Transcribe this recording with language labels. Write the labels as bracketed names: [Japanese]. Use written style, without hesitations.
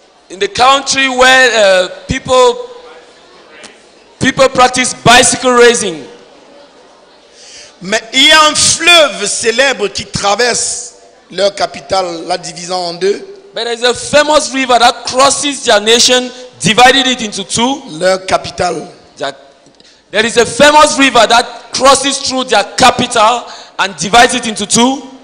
[English] In the country where people practice bicycle racing. [French] Mais il y a un fleuve célèbre qui traverse leur capitale, la divisant en deux. [English] But there's a famous river that crosses their nation, divided it into two. [French] Leur capitale. [English] There is a famous river that crosses through their capital and divides it into two.